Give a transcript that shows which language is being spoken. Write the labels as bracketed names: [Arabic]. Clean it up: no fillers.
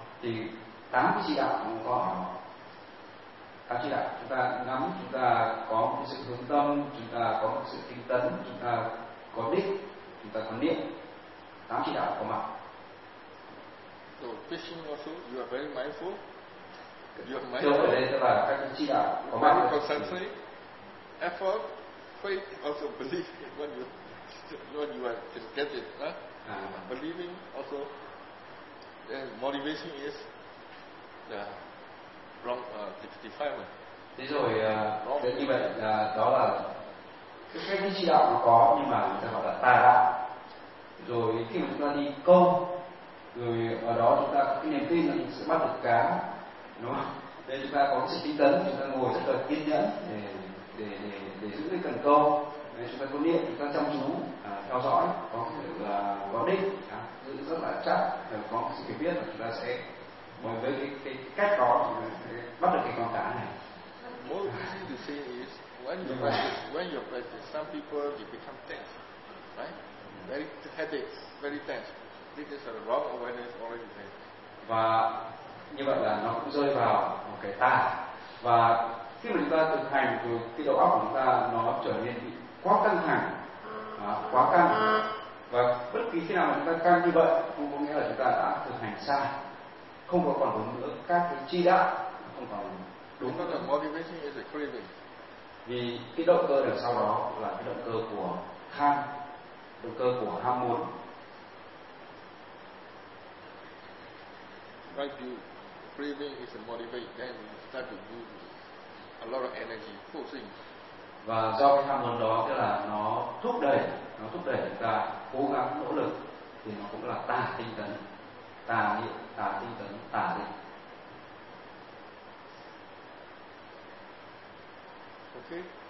[Vietnamese] Thì tám chi đạo cũng có, tám chi đạo chúng ta ngắm, chúng ta có một sự hướng tâm, chúng ta có một sự tinh tấn, chúng ta có đích, chúng ta có niệm, tám chi đạo có mặt. [English] So fishing also, you are very mindful. [Vietnamese] Chỗ ở đây tức là các chi đạo có mặt. [English] Very concentrated, effort, faith, also belief in what you. When you are can get it, huh? Believing also, then motivation is the wrong defilement. [Vietnamese] Thế rồi, thế như vậy là đó là cái chỉ đạo nó có nhưng mà chúng ta gọi là tà đạo. Rồi khi mà chúng ta đi câu, rồi ở đó chúng ta có cái niềm tin là mình sẽ bắt được cá, đúng không? Để chúng ta có sự tinh tấn, chúng ta ngồi rất là kiên nhẫn để giữ cái cần câu. Chúng ta có niệm, chúng ta chăm chú theo dõi, có thể là có định, giữ rất là chắc, có một sự hiểu biết là chúng ta sẽ bởi với cái cách đó chúng ta sẽ bắt được cái con cá này. [English] More easy to say is when you practice, when you practice, some people you become tense, right? Very headaches, very tense. This is a wrong awareness already there. [Vietnamese] Và như vậy là nó cũng rơi vào một cái tà. Và khi mà chúng ta thực hành thì cái đầu óc của chúng ta nó trở nên bị quá căng thẳng, quá căng, và bất kỳ khi nào mà chúng ta căng như vậy cũng có nghĩa là chúng ta đã thực hành sai, không có còn đúng nữa các cái chi đạo, không còn đúng nữa. [English] Motivation is a craving. [Vietnamese] Vì cái động cơ đằng sau đó là cái động cơ của tham, động cơ của ham muốn. [English] Right, you craving is a motivate, then you start to do a lot of energy, forcing. [Vietnamese] Và do cái ham muốn đó tức là nó thúc đẩy chúng ta cố gắng nỗ lực, thì nó cũng là tà tinh tấn, tà niệm, tà tinh tấn, tà định.